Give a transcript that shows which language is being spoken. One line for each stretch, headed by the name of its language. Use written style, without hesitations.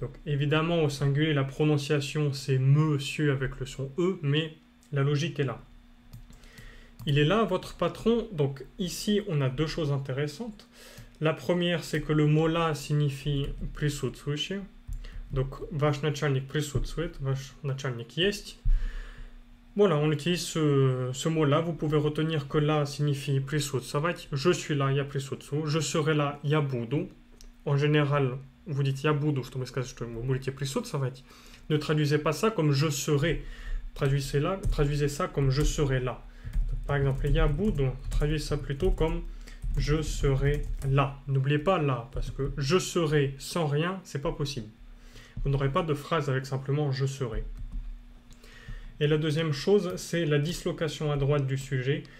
French: Donc, évidemment, au singulier, la prononciation, c'est « monsieur » avec le son « e », mais la logique est là. Il est là, votre patron. Donc, ici, on a deux choses intéressantes. La première, c'est que le mot « là » signifie «
Russian: присутствующий ». Donc, « ваш начальник присутствует »,« ваш начальник есть ».
French: Voilà, on utilise ce mot-là. Vous pouvez retenir que là signifie
Russian: присутствовать.
French: Je suis là,
Russian: я присутствую.
French: Je serai là,
Russian: я буду.
French: En général, vous dites
Russian: я буду, что мы скажем, что мы будем присутствовать.
French: Ne traduisez pas ça comme je serai. Traduisez ça comme je serai là. Par exemple,
Russian: я буду.
French: Traduisez ça plutôt comme je serai là. N'oubliez pas là, parce que je serai sans rien, c'est pas possible. Vous n'aurez pas de phrase avec simplement je serai. Et la deuxième chose, c'est la dislocation à droite du sujet.